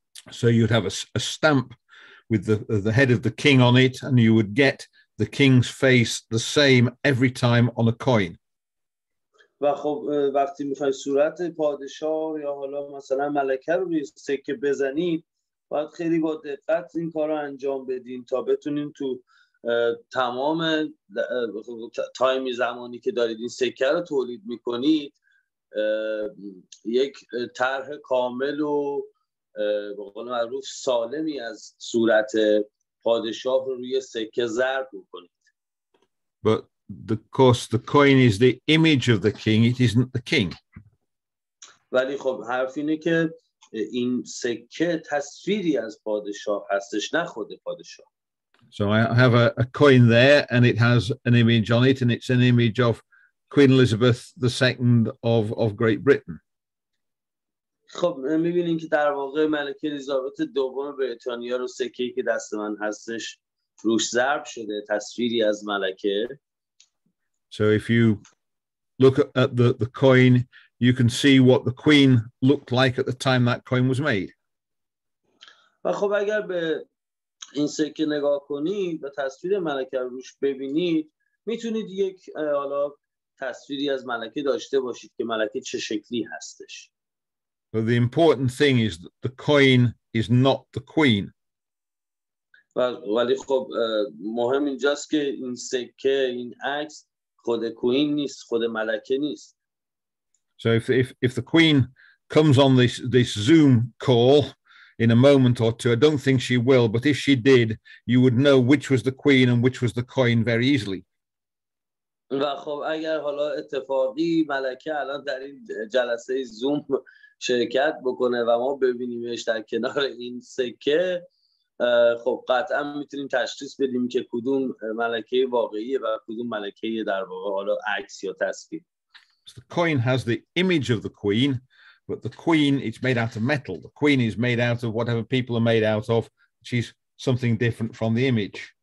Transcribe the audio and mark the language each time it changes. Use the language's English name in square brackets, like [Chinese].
[English] So you'd have a stamp with the head of the king on it and you would get the king's face the same every time on a coin. [Persian] و خب وقتی میخوای صورت پادشاه یا حالا مثلا ملکه رو روی سکه بزنید، باید خیلی با دقت این کار رو انجام بدین تا بتونین تو تمام تایمی زمانی که دارید این سکه رو تولید میکنید یک طرح کامل و به قول معروف سالمی از صورت پادشاه رو روی سکه ضرب بکنید. [English] The coin is the image of the king. It isn't the king. [Persian] ولی خب حرف اینه که این سکه تصویری از پادشاه هستش، نه خود پادشاه. [English] So I have a coin there, and it has an image on it, and it's an image of Queen Elizabeth II of Great Britain. [Persian] خب می‌بینیم که در واقع ملکه الیزابت دوم بریتانیا رو سکه‌ای که دست من هستش روش ضرب شده تصویری از ملکه. [English] So if you look at the coin, you can see what the queen looked like at the time that coin was made. [Persian] و خب اگر به این سکه نگاه کنید و تصویر ملکه روش ببینید میتونید یک حالا تصویری از ملکه داشته باشید که ملکه چه شکلی هستش. [English] But the important thing is that the coin is not the queen. [Persian] ولی خب مهم اینجاست که این سکه این عکس خود کوین نیست خود ملکه نیست. [English] So if the queen comes on this Zoom call in a moment or two, I don't think she will, but if she did, you would know which was the queen and which was the coin very easily. [Persian] و خب اگر حالا اتفاقی ملکه الان در این جلسه زوم شرکت بکنه و ما ببینیمش در کنار این سکه خب قطعا میتونیم تشخیص بدیم که کدوم ملکه واقعیه و کدوم ملکه در واقع حالا عکس یا تصویر. [English] So the coin has the image of the queen, but the queen, it's made out of metal. The queen is made out of whatever people are made out of. She's something different from the image.